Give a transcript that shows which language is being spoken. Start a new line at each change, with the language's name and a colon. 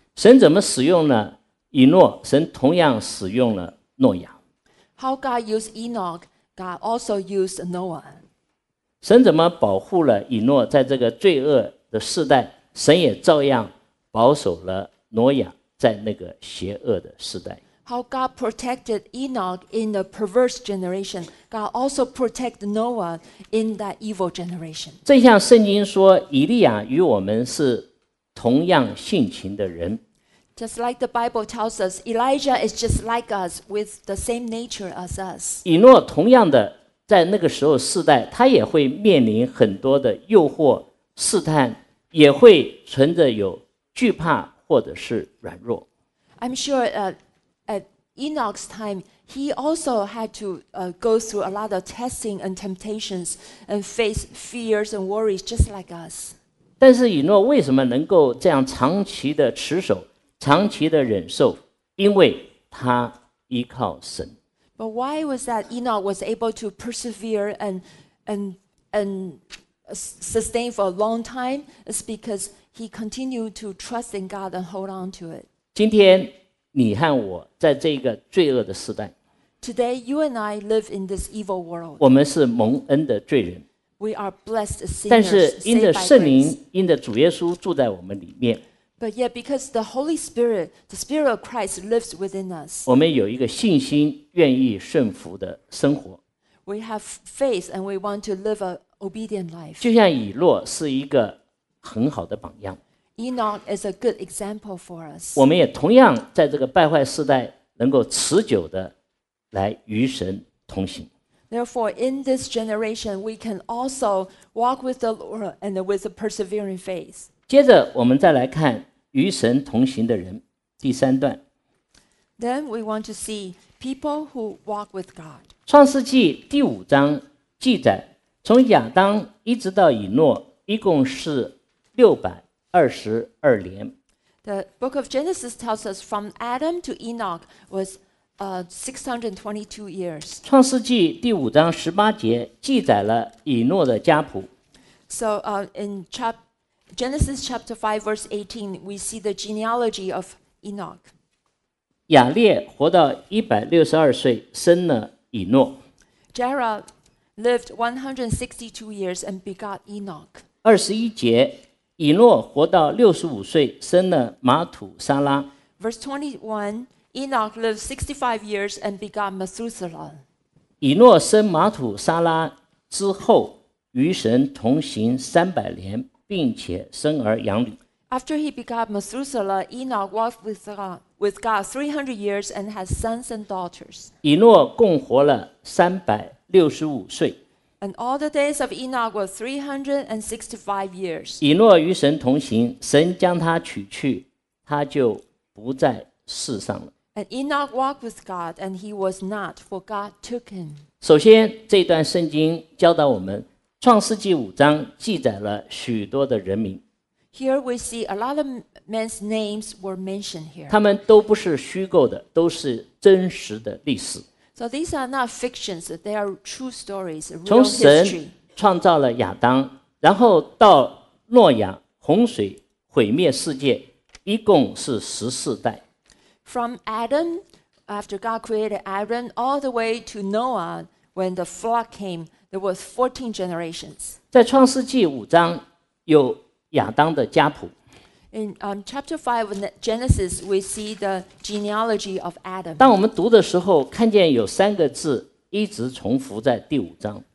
Chinese: 神怎么使用了以诺？神同样使用了诺亚。
English: How God used Enoch, God also used Noah.
Chinese: 神怎么保护了以诺？在这个罪恶的世代，神也照样保守了挪亚在那个邪恶的世代。
English: How God protected Enoch in the perverse generation, God also protected Noah in that evil generation.
Chinese: 正像圣经说，以利亚与我们是同样性情的人。
English: Just like the Bible tells us, Elijah is just like us with the same nature as us.
Chinese: 以诺同样的在那个时候世代，他也会面临很多的诱惑试探，也会存着有惧怕或者是软弱。
English: I'm sure At Enoch's time, he also had to go through a lot of testing and temptations and face fears and worries just like us.
Chinese: 但是以诺为什么能够这样长期的持守、长期的忍受？因为他依靠神。
English: But why was that Enoch was able to persevere and sustain for a long time? It's because he continued to trust in God and hold on to it.
Chinese: 今天你和我在这个罪恶的时代。
English: Today, you and I live in this evil world.
Chinese: 我们是蒙恩的罪人。
English: We are blessed sinners.
Chinese: 但是因着圣灵，因着主耶稣住在我们里面。
English: But yet, because the Holy Spirit, the Spirit of Christ lives within us.
Chinese: 我们有一个信心、愿意顺服的生活。
English: We have faith and we want to live an obedient life.
Chinese: 就像以诺是一个很好的榜样。
English: Enoch is a good example for us.
Chinese: 我们也同样在这个败坏世代能够持久的来与神同行。
English: Therefore, in this generation, we can also walk with the Lord and with a persevering faith.
Chinese: 接着我们再来看与神同行的人，第三段。
English: Then we want to see people who walk with God.
Chinese: 创世纪第五章记载，从亚当一直到以诺，一共是622年。
English: The book of Genesis tells us from Adam to Enoch was 622 years.
Chinese: 创世纪第五章十八节记载了以诺的家谱。
English: So in Genesis chapter 5 verse 18, we see the genealogy of Enoch.
Chinese: 亚烈活到162岁，生了以诺。
English: Jared lived 162 years and begot Enoch.
Chinese: 21节，以诺活到65岁，生了马土沙拉。
English: Verse 21, Enoch lived 65 years and begot Methuselah.
Chinese: 以诺生马土沙拉之后，与神同行300年，并且生儿养女。
English: After he begot Methuselah, Enoch walked with God 300 years and had sons and daughters.
Chinese: 以诺共活了365岁。
English: And all the days of Enoch were 365 years.
Chinese: 以诺与神同行，神将他娶去，他就不在世上了。
English: And Enoch walked with God, and he was not, for God took him.
Chinese: 首先，这段圣经教导我们，创世纪五章记载了许多的人名。
English: Here we see a lot of men's names were mentioned here.
Chinese: 他们都不是虚构的，都是真实的历史。
English: So these are not fictions, they are true stories, real history.
Chinese: 从神创造了亚当，然后到诺亚，洪水毁灭世界，一共是14代。
English: From Adam, after God created Adam, all the way to Noah, when the flood came, there were 14 generations.
Chinese: 在创世纪五章有亚当的家谱。
English: In chapter 5 of Genesis, we see the genealogy of Adam.
Chinese: 当我们读的时候，看见有三个字一直重复在第五章。